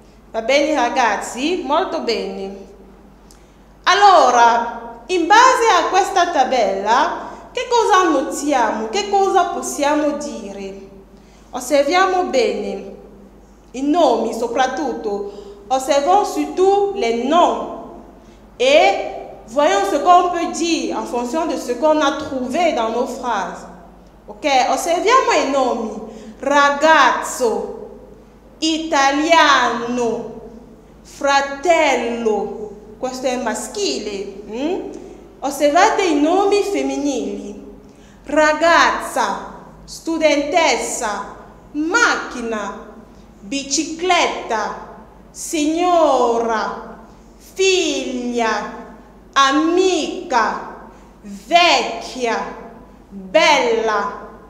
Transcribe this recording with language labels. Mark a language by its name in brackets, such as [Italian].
[Italian] Va bene, ragazzi? Molto bene. Allora, in base a questa tabella, che cosa notiamo? Che cosa possiamo dire? Osserviamo bene i nomi, soprattutto. Osserviamo [French] surtout les noms. E voyons ce qu'on peut dire en fonction de ce qu'on a trouvé dans nos phrases. [Italian] Ok, osserviamo i nomi. Ragazzo, italiano, fratello. Questo è maschile. Osservate i nomi femminili. Ragazza, studentessa, macchina, bicicletta, signora, figlia, amica, vecchia, bella.